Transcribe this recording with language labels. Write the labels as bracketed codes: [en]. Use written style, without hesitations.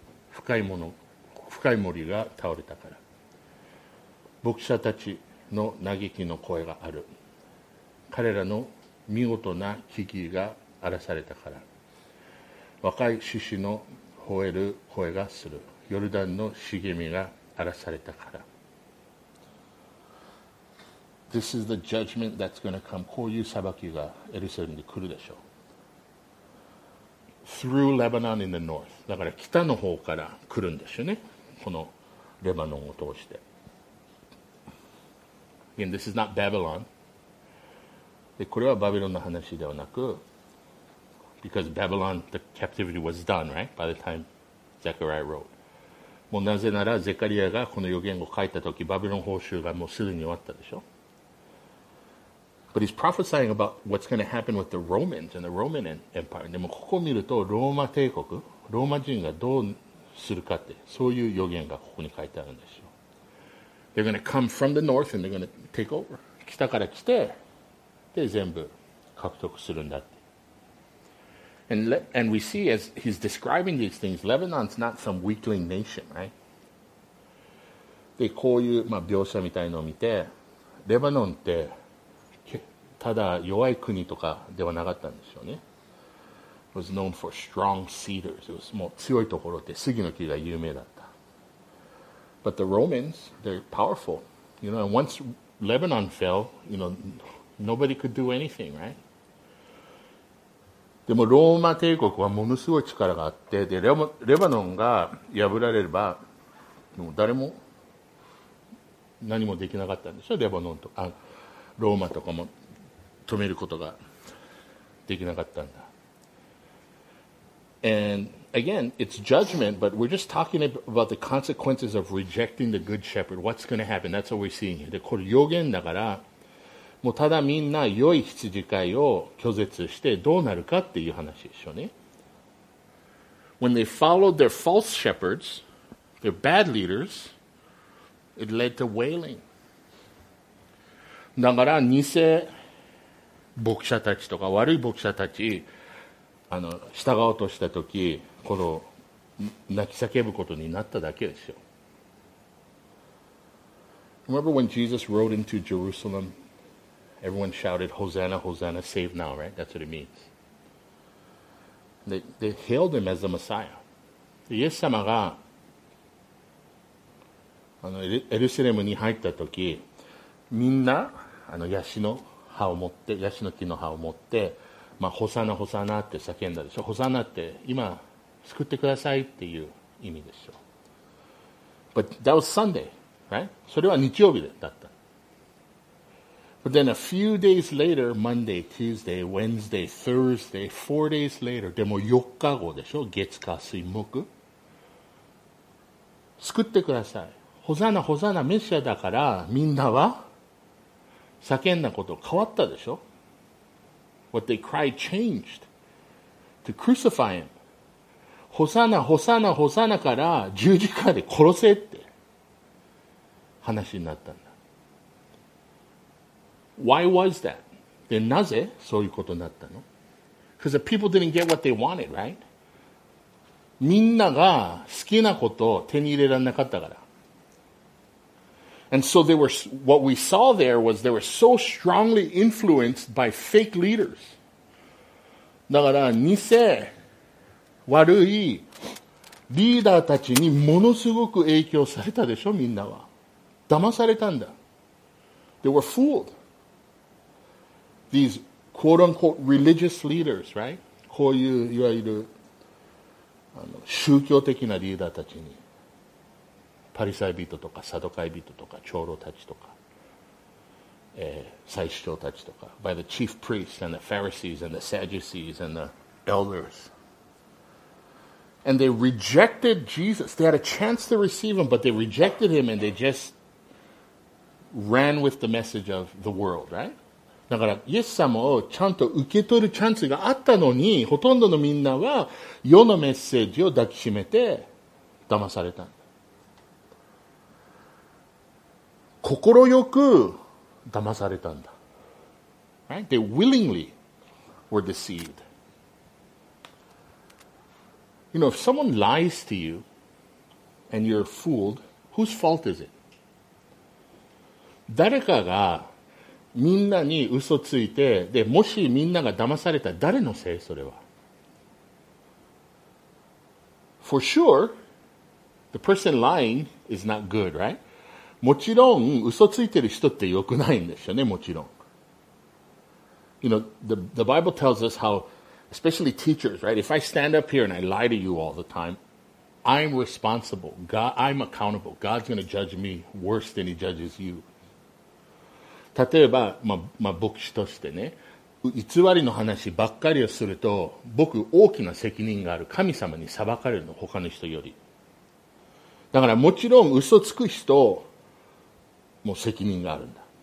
[ja] 深い森が倒れたから。牧者たちの嘆きの声がある。彼らの見事な木々が荒らされたから。若い獅子の吠える声がする。ヨルダンの茂みが荒らされたから。 [en] This is the judgment that's going to come. [ja] こういう裁きがエルサレムに来るでしょう。 [en] Through Lebanon in the north. [ja] だから北の方から来るんですよね。このレバノンを通して。 [en] Again, this is not Babylon. [ja] で、これはバビロンの話ではなく、 [en] because Babylon, the captivity was done, right? By the time Zechariah wrote. [ja] もうなぜならゼカリアがこの予言を書いたとき、バビロン報酬がもうすでに終わったでしょ。 [en] But he's prophesying about what's going to happen with the Romans and the Roman Empire. [ja] でもここを見ると、ローマ帝国、ローマ人がどうするかって、そういう予言がここに書いてあるんですよ。 [en] They're going to come from the north and they're going to take over. [ja] 北から来て、で、全部獲得するんだって。 [en] And we see as he's describing these things, Lebanon's not some weakling nation, right? [ja] で、こういう、まあ、描写みたいのを見て、レバノンってただ弱い国とかではなかったんですよね。 [en] It was known for strong cedars. It was [ja] もう強いところって杉の木が有名だった。 [en] But the Romans, they're powerful. You know, and once Lebanon fell, you know, nobody could do anything, right? [ja] でもローマ帝国はものすごい力があって、で、レバノンが破られれば、もう誰も何もできなかったんでしょ、レバノンとか、ローマとかも止めることができなかったんだ。 [en] And... Again, it's judgment, but we're just talking about the consequences of rejecting the good shepherd. What's going to happen? That's what we're seeing here. [ja] これ予言だから、もうただみんな良い羊飼いを拒絶してどうなるかっていう話でしょうね。 [en] When they followed their false shepherds, their bad leaders, it led to wailing. [ja] だから偽牧者たちとか悪い牧者たち、従おうとしたとき、この泣き叫ぶことになっただけですよ。 [en] Remember when Jesus rode into Jerusalem, everyone shouted, Hosanna, Hosanna, save now, right? That's what it means. They hailed him as the Messiah. [ja] イエス様がエルサレムに入ったとき、みんなヤシの葉を持って、ヤシの木の葉を持って、まあ、ホサナホサナって叫んだでしょ。ホサナって今救ってくださいっていう意味でしょ。 But that was Sunday, right? それは日曜日だった。 But then a few days later, Monday, Tuesday, Wednesday, Thursday, 4 days later, でも4日後でしょ。月火水木。救ってください。ホサナホサナメシアだからみんなは叫んだこと変わったでしょ。 [en] What they cried changed to crucify him. [ja] Hosanna, Hosanna, Hosanna から十字架で殺せって話になったんだ。 [en] Why was that? [ja] で、なぜそういうことになったの? [en] Because the people didn't get what they wanted, right? [ja] みんなが好きなことを手に入れられなかったから。 [en] And so they were, what we saw there was they were so strongly influenced by fake leaders. [ja] だから偽悪いリーダーたちにものすごく影響されたでしょ。みんなは騙されたんだ。 [en] They were fooled. These quote unquote religious leaders, right? [ja] こういういわゆる宗教的なリーダーたちに、パリサイ人とかサドカイ人とか長老たちとか、祭司長たちとか、 [en] by the chief priests and the Pharisees and the Sadducees and the elders, and they rejected Jesus. They had a chance to receive him, but they rejected him and they just ran with the message of the world, right? [ja] だからイエス様をちゃんと受け取るチャンスがあったのに、ほとんどのみんなは世のメッセージを抱きしめて騙された。心よく騙されたんだ。 [en] Right? They willingly were deceived. You know, if someone lies to you and you're fooled, whose fault is it? [ja] 誰かがみんなに嘘ついて、で、もしみんなが騙されたら誰のせい？それは。 [en] For sure, the person lying is not good, right? [ja] もちろん嘘ついてる人って良くないんですよね、もちろん。 [en] You know, the Bible tells us how, especially teachers, right? If I stand up here and I lie to you all the time, I'm responsible. God, I'm accountable. God's going to judge me worse than he judges you. [ja] 例えば、まあ、牧師としてね、偽りの話ばっかりをすると、僕大きな責任がある。神様に裁かれるの、他の人より。だからもちろん嘘つく人、もう責任があるんだ。